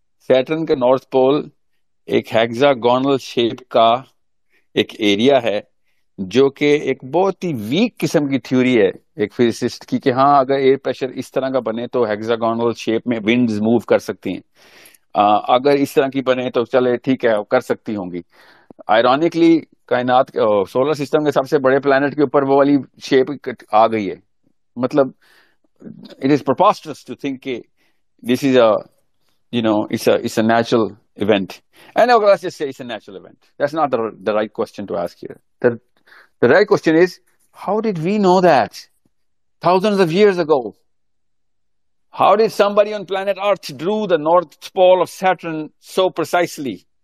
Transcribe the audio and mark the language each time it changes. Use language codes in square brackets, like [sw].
[ur] Saturn کا north پول ایک ہیگزاگونل shape کا ایک ایریا ہے, جو کہ ایک بہت ہی ویک قسم کی تھیوری ہے ایک فزسسٹ کی, کہ ہاں اگر ایئر پریشر اس طرح کا بنے تو ہیگزاگونل شیپ میں ونڈز موو کر سکتی ہیں, اگر اس طرح کی بنے تو چلے ٹھیک ہے کر سکتی ہوں گی. آئرونکلی کائنات سولر سسٹم کے سب سے بڑے پلانٹ کے اوپر وہ والی شیپ آ گئی ہے. [en] مطلب it is preposterous to think کہ this is a, you know, it's a natural event. And okay, let's just say it's a natural event. That's not the right question to ask here. The right question is, how did we know that thousands of years ago? How did somebody on planet Earth drew the north pole of Saturn so precisely?